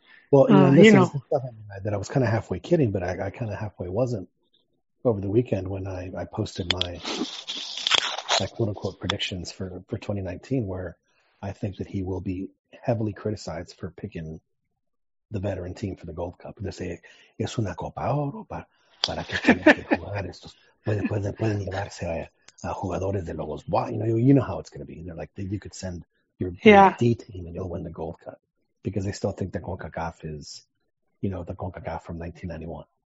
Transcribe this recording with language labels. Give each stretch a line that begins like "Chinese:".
English: Well, this is the stuff that I was kind of halfway kidding, but I kind of halfway wasn't over the weekend when I posted my quote unquote predictions for 2019, where I think that he will be heavily criticized for picking the veteran team for the Gold Cup. They say,
Spanish: es una Copa Oro para que estén aquí a jugar estos. Pueden llevarse a jugadores de Lobos.
English: Why? You know how it's going to be. They're like, you could send your D team and you'll win the Gold Cup. Because they still think the CONCACAF is, the CONCACAF from 1991.